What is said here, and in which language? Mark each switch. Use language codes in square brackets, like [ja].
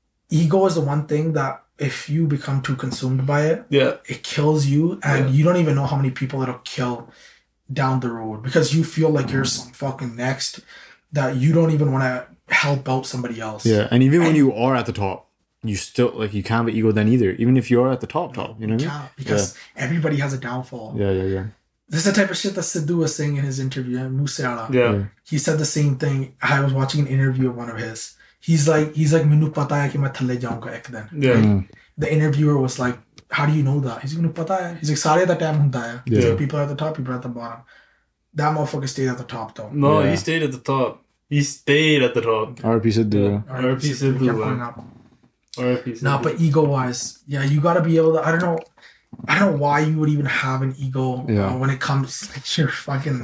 [en] Ego is the one thing that, if you become too consumed by it, it kills you, and you don't even know how many people it'll kill down the road, because you feel like you're some fucking next that you don't even want to help out somebody else. Yeah, and even when you are at the top, you still, like, you can't have an ego then either, even if you are at the top, you know what I mean? Because everybody has a downfall. Yeah. This is the type of shit that Sidhu was saying in his interview, Musiala. Yeah. He said the same thing. I was watching an interview of one of his. He's like, [pa] ਮੈਨੂੰ ਪਤਾ ਹੈ ਕਿ ਮੈਂ ਥੱਲੇ ਜਾਊਂਗਾ ਇੱਕ ਦਿਨ. [en] The interviewer was like, how do you know that? He's like, [pa] ਮੈਨੂੰ ਪਤਾ ਹੈ. He's like, ਸਾਰੇ ਦਾ time ਹੁੰਦਾ ਹੈ. [en] He's like, people are at the top, people are at the bottom. That motherfucker stayed at the top, though. No, he stayed at the top. He stayed at the top. R.P. Sidhu. R.P. Sidhu. Nah, but ego-wise, you gotta be able to, I don't know why you would even have an ego when it comes to your fucking...